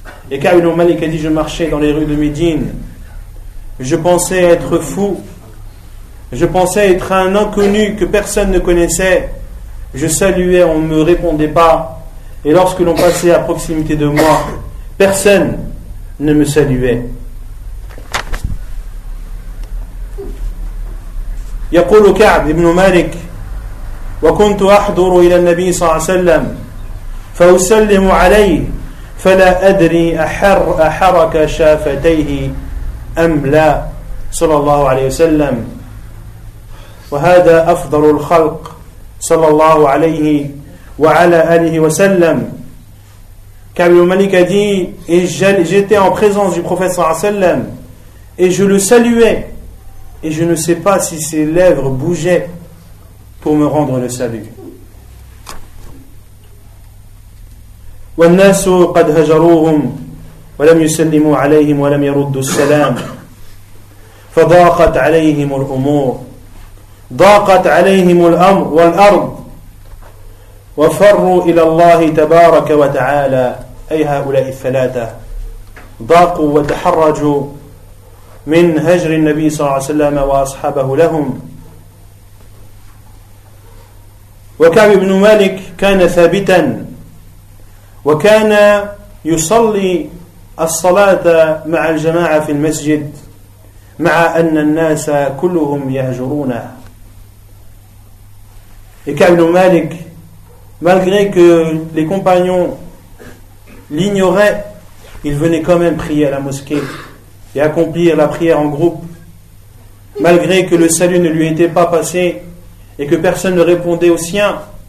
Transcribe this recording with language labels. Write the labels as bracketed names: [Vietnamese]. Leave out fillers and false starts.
[French] Et Ka'b ibn Malik a dit, je marchais dans les rues de Médine, je pensais être fou, je pensais être un inconnu que personne ne connaissait, je saluais, on ne me répondait pas. Et lorsque l'on passait à proximité de moi, personne ne me saluait. [Arabic] يقول كعب ابن مالك وكنت احضر الى النبي صلى الله عليه وسلم فاسلم عليه فلا ادري احرك شافتيه ام لا صلى الله عليه وسلم وهذا افضل الخلق صلى الله عليه وعلى اله وسلم. [French] Ka'b ibn Malik a dit, et j'étais en présence du prophète sallallahu alayhi wa sallam, et je le saluais, et je ne sais pas si ses lèvres bougeaient pour me rendre le salut. [Arabic] وَالنَّاسُ قَدْ هَجَرُوهُمْ وَلَمْ يُسَلِّمُوا عَلَيْهِمْ وَلَمْ يَرُدُّوا السَّلَامُ فَضَاقَتْ عَلَيْهِمُ الْأُمُورُ ضَاقَتْ عَلَيْهِمُ الْأَمْرُ وَالْأَرْضُ وفروا إلى الله تبارك وتعالى أي هؤلاء الثلاثة ضاقوا وتحرجوا من هجر النبي صلى الله عليه وسلم وأصحابه لهم. وكعب بن مالك كان ثابتا وكان يصلي الصلاة مع الجماعة في المسجد مع أن الناس كلهم يهجرونه. [French] وكعب بن مالك, malgré que les compagnons l'ignoraient, il venait quand même prier à la mosquée et accomplir la prière en groupe, malgré que le salut ne lui était pas passé et que personne ne répondait au sien.